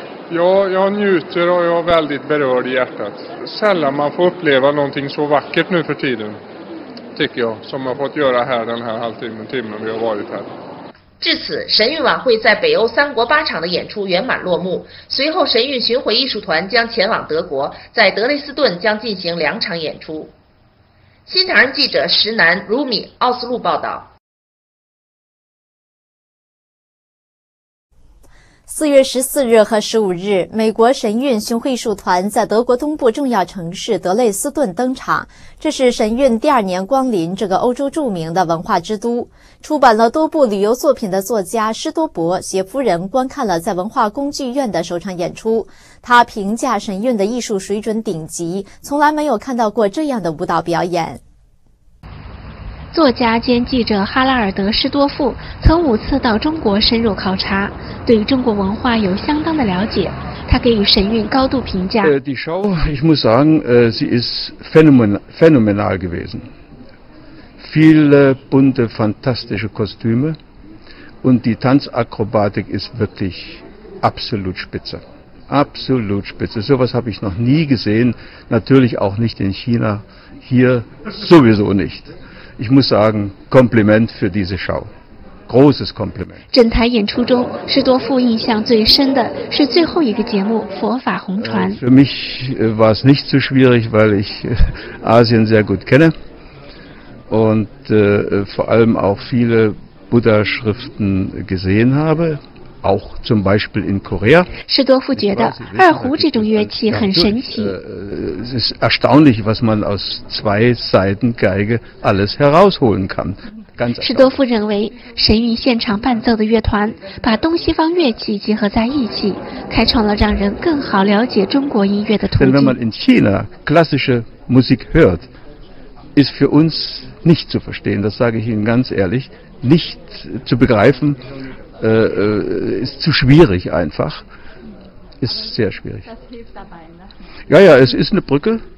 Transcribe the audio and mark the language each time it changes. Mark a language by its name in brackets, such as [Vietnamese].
[Norwegian] Ja, jeg njuter og jeg er veldig berørt i hjertet. Selv om man får oppleve noe så vakkert nå for tiden. [Swedish] tycker jag, som har fått göra här den här halvtimmen vi har varit här. [Chinese] 至此，神韵晚会在北欧三国八场的演出圆满落幕。随后，神韵巡回艺术团将前往德国，在德累斯顿将进行两场演出。新唐人记者石楠、卢米、奥斯陆报道。 4月14日和15日，美国神韵巡回艺术团在德国东部重要城市德累斯顿登场。这是神韵第二年光临这个欧洲著名的文化之都。出版了多部旅游作品的作家施多伯携夫人观看了在文化宫剧院的首场演出。他评价神韵的艺术水准顶级，从来没有看到过这样的舞蹈表演。作家兼记者哈拉尔德·施多富曾五次到中国深入考察，对中国文化有相当的了解，他给予神韵高度评价。 [German] Die Show, ich muss sagen, sie ist phänomenal gewesen. Viele bunte, fantastische Kostüme und die Tanzakrobatik ist wirklich absolut spitze. Absolut spitze. So was habe ich noch nie gesehen, natürlich auch nicht in China, hier sowieso nicht. Ich muss sagen, Kompliment für diese Show. Großes Kompliment. [Chinese] 整台演出中，施多富印象最深的是最后一个节目《佛法红传》。 [German] Für mich war es nicht so schwierig, weil ich Asien sehr gut kenne und vor allem auch viele Buddha-Schriften gesehen habe. Auch zum Beispiel in Korea. [Chinese] 施多夫觉得二胡这种乐器很神奇。 [German] Es ist erstaunlich, was man aus zwei Seiten Geige alles herausholen kann. [Chinese] 施多夫认为，神韵现场伴奏的乐团把东西方乐器结合在一起，开创了让人更好了解中国音乐的途径。 [German] Denn wenn man in China klassische Musik hört, ist für uns nicht zu verstehen. Das sage ich Ihnen ganz ehrlich, nicht zu begreifen. Ist zu schwierig einfach. Ist sehr schwierig. Das hilft dabei, ne? Ja, ja, es ist eine Brücke.